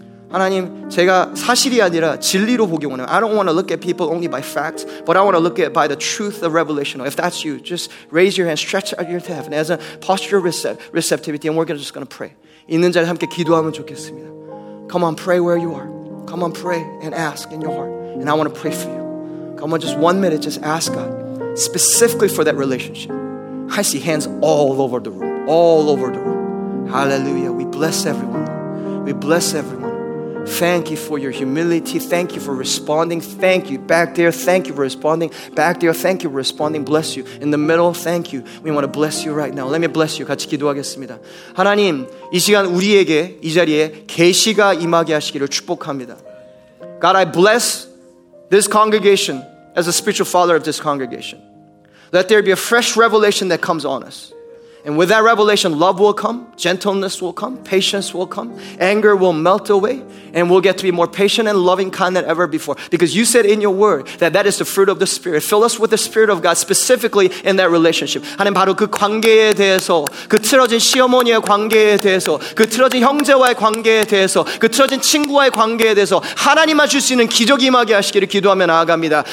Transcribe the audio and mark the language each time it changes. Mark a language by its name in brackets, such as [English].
[Korean] 하나님, 제가 사실이 아니라 진리로 보기 원해요. [English] I don't want to look at people only by facts, but I want to look at by the truth of revelation. If that's you, just raise your hand, stretch out your hand as a posture receptivity, and we're just going to pray. [Korean] 있는 자리 함께 기도하면 좋겠습니다. [English] Come on, pray where you are. Come on, pray and ask in your heart. And I want to pray for you. Come on, just 1 minute, just ask God specifically for that relationship. I see hands all over the room, all over the room. Hallelujah. We bless everyone. We bless everyone. Thank you for your humility. Thank you for responding. Thank you back there. Thank you for responding. Back there. Thank you for responding. Bless you. In the middle, thank you. We want to bless you right now. Let me bless you. [Korean] 같이 기도하겠습니다. 하나님, 이 시간 우리에게 이 자리에 계시가 임하게 하시기를 축복합니다. [English] God, I bless this congregation as a spiritual father of this congregation. Let there be a fresh revelation that comes on us. And with that revelation, love will come, gentleness will come, patience will come, anger will melt away, and we'll get to be more patient and loving kind than ever before. Because you said in your word that that is the fruit of the Spirit. Fill us with the Spirit of God, specifically in that relationship. [Korean] 하나님, 바로 그 관계에 대해서, 그 틀어진 시어머니의 관계에 대해서, 그 틀어진 형제와의 관계에 대해서, 그 틀어진 친구와의 관계에 대해서 하나님만 줄 수 있는 기적이 임하게 하시기를 기도하며 나아갑니다.